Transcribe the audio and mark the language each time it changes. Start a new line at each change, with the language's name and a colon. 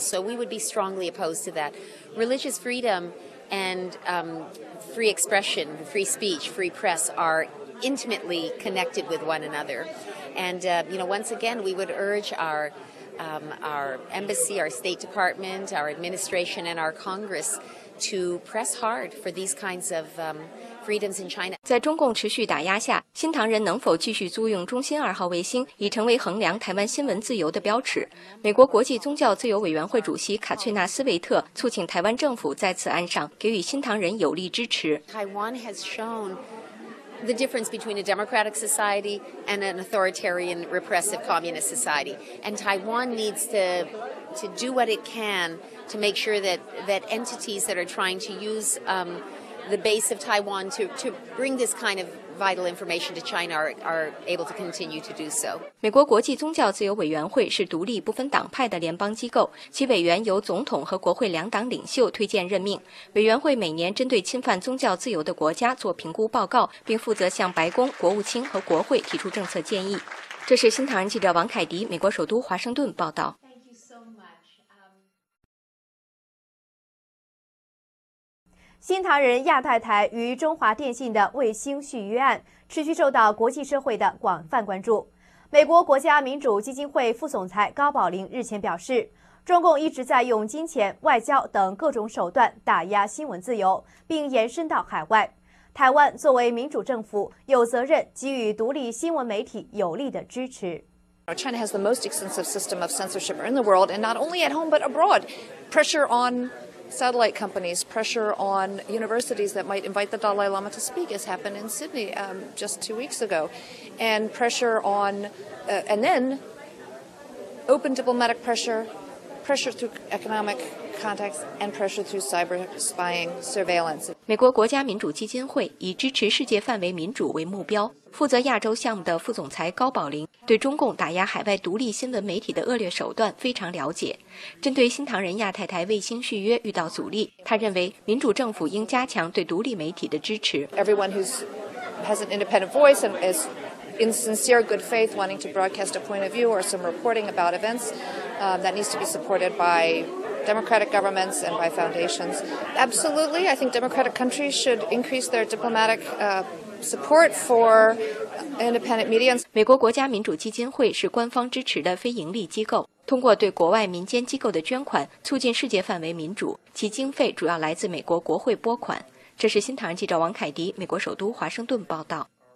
English: So we would be strongly opposed to that. Religious freedom and free expression, free speech, free press are intimately connected with one another. And, you know, once again, we would urge our embassy, our State Department, our administration, and our Congress to press hard for these kinds of freedoms in China.
Chinese: 在中共持续打压下，新唐人能否继续租用中兴二号卫星，已成为衡量台湾新闻自由的标尺。美国国际宗教自由委员会主席卡翠娜·斯维特促请台湾政府在此案上给予新唐人有力支持。
English: Taiwan has shown the difference between a democratic society and an authoritarian, repressive communist society. And Taiwan needs to do what it can to make sure that entities that are trying to use the base of Taiwan to bring this kind of vital information to China are able to continue to do so.
Chinese: 美国国际宗教自由委员会是独立不分党派的联邦机构，其委员由总统和国会两党领袖推荐任命。委员会每年针对侵犯宗教自由的国家做评估报告，并负责向白宫、国务卿和国会提出政策建议。这是新唐人记者王凯迪，美国首都华盛顿报道。新唐人亚太台与中华电信的卫星续约案持续受到国际社会的广泛关注。美国国家民主基金会副总裁高宝林日前表示，中共一直在用金钱、外交等各种手段打压新闻自由，并延伸到海外。台湾作为民主政府，有责任给予独立新闻媒体有力的支持。
English: China has the most extensive system of censorship in the world, and not only at home but abroad. Pressure on satellite companies, pressure on universities that might invite the Dalai Lama to speak, as happened in Sydney just 2 weeks ago, and pressure on, and then open diplomatic pressure, pressure through economic contacts, and pressure through cyber spying surveillance.
Chinese: 美国国家民主基金会以支持世界范围民主为目标，负责亚洲项目的副总裁高宝林对中共打压海外独立新闻媒体的恶劣手段非常了解。针对新唐人亚太台卫星续约遇到阻力，他认为民主政府应加强对独立媒体的支持。
English: Everyone who has an independent voice and is in sincere good faith wanting to broadcast a point of view or some reporting about events, that needs to be supported by democratic governments and by foundations. Absolutely, I think democratic countries should increase their diplomatic support for independent media.
Chinese: 美国国家民主基金会是官方支持的非盈利机构，通过对国外民间机构的捐款促进世界范围民主，其经费主要来自美国国会拨款。这是新唐人记者王凯迪，美国首都华盛顿报道。